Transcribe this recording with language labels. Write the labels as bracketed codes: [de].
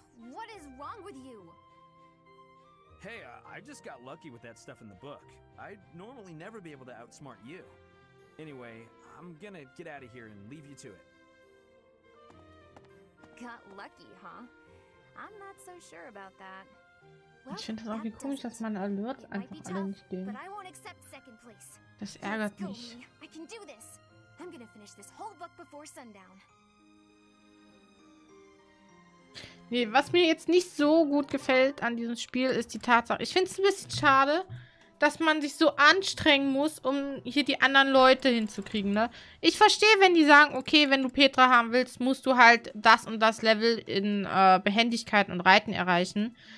[en] What is wrong with you? Hey, I just got lucky with that stuff in the book. I'd normally never be able to outsmart you. Anyway, I'm gonna get out of here and leave you to it. Got lucky, huh? I'm not so sure about that. [de] Well, ich finde es auch wie komisch, dass man Alert einfach alle nicht gehen. [en] But I won't accept second place. [de] Das ärgert mich. [en] I can do this. I'm gonna finish this whole book before sundown. [de] Nee, was mir jetzt nicht so gut gefällt an diesem Spiel, ist die Tatsache. Ich finde es ein bisschen schade, dass man sich so anstrengen muss, um hier die anderen Leute hinzukriegen, ne? Ich verstehe, wenn die sagen, okay, wenn du Petra haben willst, musst du halt das und das Level in Behendigkeit und Reiten erreichen.